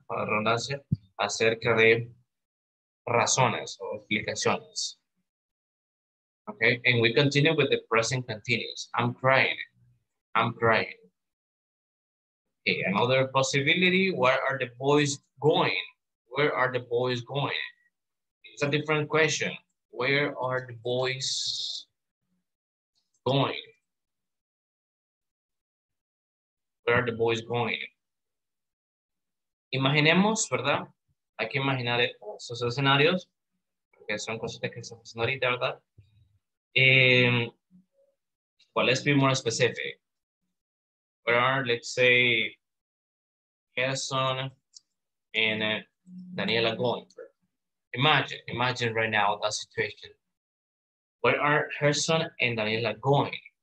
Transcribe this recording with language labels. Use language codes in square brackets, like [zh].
[es] Para la redundancia, acerca de razones o explicaciones. [en] Okay, and we continue with the present continuous. I'm crying. Okay, another possibility, where are the boys going? It's a different question. Where are the boys going? Where are the boys going? [es] Imaginemos, ¿verdad? Hay que imaginar esos escenarios, porque son cosas que estamos haciendo ahorita, ¿verdad? [en] Well, let's be more specific. Where are, let's say, Gerson and Daniela going? Imagine right now that situation. Where are Gerson and Daniela going?